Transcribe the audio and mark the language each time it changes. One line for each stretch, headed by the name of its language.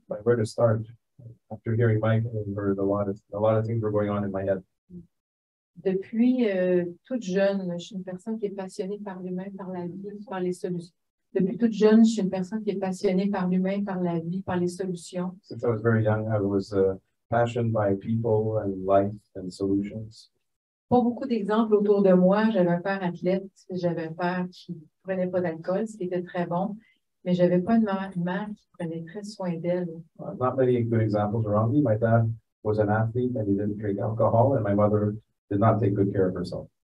English: But where to start? After hearing Mike, I heard a lot of things were going on in my head.
French: Depuis toute jeune, je suis une personne qui est passionnée par l'humain, par la vie, par les solutions. Depuis toute jeune, je suis une personne qui est passionnée par l'humain, par la vie, par les solutions.
English: Since I was very young, I was passionate by people and life and solutions.
French: Pas beaucoup d'exemples autour de moi. J'avais un père athlète, j'avais un père qui ne prenait pas d'alcool, ce qui était très bon, mais je n'avais pas une mère qui prenait très soin d'elle.
English: Not many good examples around me. My dad was an athlete and he didn't drink alcohol, and my mother did not take good care of herself.